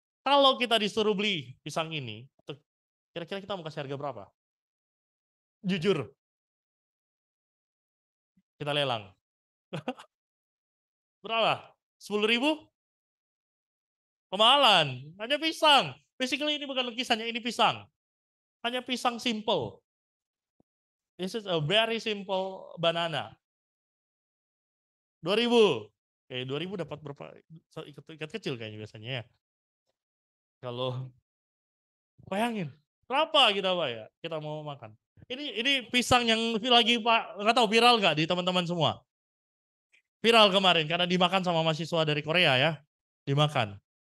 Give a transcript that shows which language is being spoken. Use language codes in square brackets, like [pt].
[id] Kalau kita disuruh beli pisang ini, kira-kira kita mau kasih harga berapa? Jujur. Kita lelang. Berapa? 10.000? Kemahalan. Hanya pisang. Basically ini bukan lukisannya, ini pisang. Hanya pisang simple. [en] This is a very simple banana. [id] 2.000. Kayak 2.000 dapat berapa? Ikat kecil kayaknya biasanya ya. Kalau bayangin, berapa kita bayar? Kita mau makan. Ini pisang yang lagi Pak, enggak tahu viral enggak di teman-teman semua. Viral kemarin karena dimakan sama mahasiswa dari Korea ya. Dimakan.